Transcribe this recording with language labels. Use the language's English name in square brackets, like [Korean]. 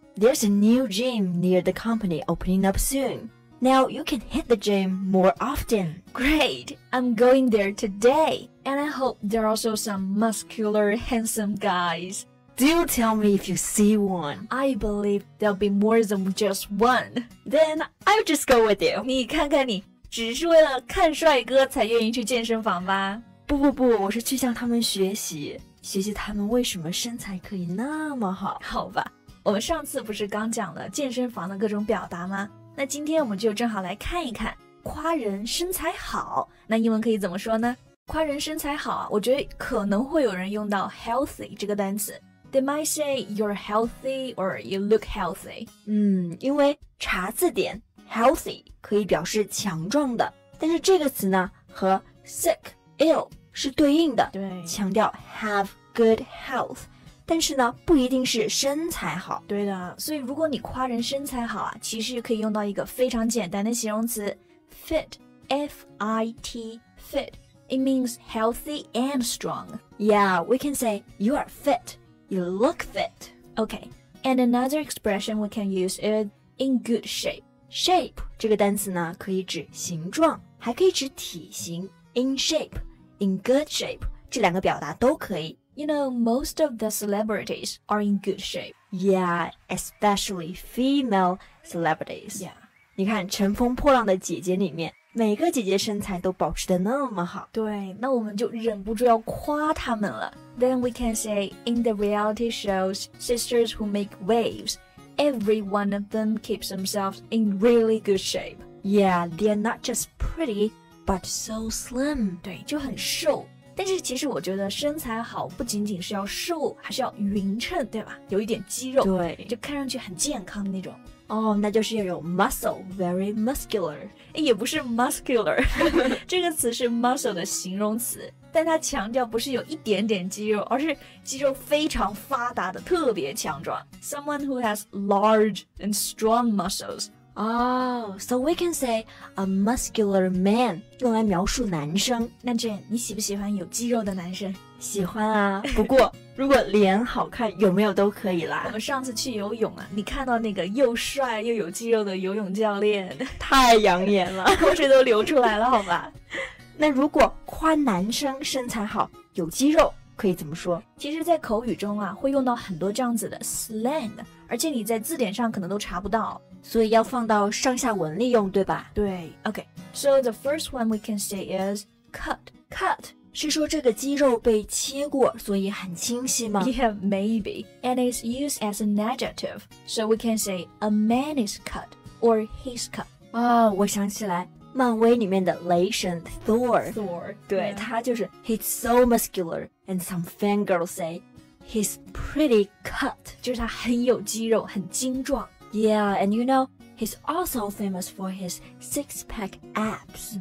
[English] There's a new gym near the company opening up soon. Now you can hit the gym more often. Great, I'm going there today. And I hope there are also some muscular, handsome guys. Do tell me if you see one. I believe there'll be more than just one. Then I'll just go with you. [Chinese] 你看看你，只是为了看帅哥才愿意去健身房吧？不不不，我是去向他们学习，学习他们为什么身材可以那么好。好吧，我们上次不是刚讲了健身房的各种表达吗？那今天我们就正好来看一看，夸人身材好，那英文可以怎么说呢？夸人身材好，我觉得可能会有人用到 healthy 这个单词。 [English] They might say you're healthy or you look healthy. [Chinese] 因为查字典 healthy 可以表示强壮的，但是这个词呢和 sick, ill 是对应的，对，强调 [English] have good health, [Chinese] 但是呢不一定是身材好。对的，所以如果你夸人身材好啊，其实可以用到一个非常简单的形容词 fit, F-I-T, fit. [English] It means healthy and strong. Yeah, we can say you are fit. You look fit. Okay, and another expression we can use is in good shape. [Chinese] Shape 这个单词呢可以指形状，还可以指体型。 [English] In shape, in good shape, [Chinese] 这两个表达都可以。 [English] You know, most of the celebrities are in good shape. Yeah, especially female celebrities. Yeah. [Chinese] 你看《乘风破浪的姐姐》里面，每个姐姐身材都保持得那么好。对，那我们就忍不住要夸她们了。 [English] Then we can say, in the reality shows, sisters who make waves, every one of them keeps themselves in really good shape. Yeah, they're not just pretty, but so slim. [Chinese] 对，就很瘦。但是其实我觉得身材好不仅仅是要瘦，还是要匀称，对吧？有一点肌肉，对，就看上去很健康那种。哦，那就是要有 muscle, [English] very muscular. [Chinese] 也不是 muscular, 这个词是 muscle 的形容词。但它强调不是有一点点肌肉，而是肌肉非常发达的，特别强壮。 [English] Someone who has large and strong muscles. Oh, so we can say a muscular man, [Chinese] 用来描述男生。那 Jane, 你喜不喜欢有肌肉的男生？喜欢啊，不过如果脸好看，有没有都可以啦。我们上次去游泳啊，你看到那个又帅又有肌肉的游泳教练，太养眼了，口水都流出来了，好吧。那如果夸男生身材好有肌肉可以怎么说？其实在口语中啊会用到很多这样子的 slang, 而且你在字典上可能都查不到，所以要放到上下文利用，对吧？对。 [English] OK, so the first one we can say is cut. [Chinese] Cut 是说这个肌肉被切过所以很清晰吗？ [English] Yeah, maybe. And it's used as an adjective, so we can say a man is cut or he's cut. [Chinese] 哦，我想起来漫威里面的雷神 Thor, [English] Thor 对、yeah. [Chinese] 他就是 [English] He's so muscular, and some fangirls say He's pretty cut, [Chinese] 就是他很有肌肉很精壮。 [English] Yeah, and you know, he's also famous for his six-pack abs.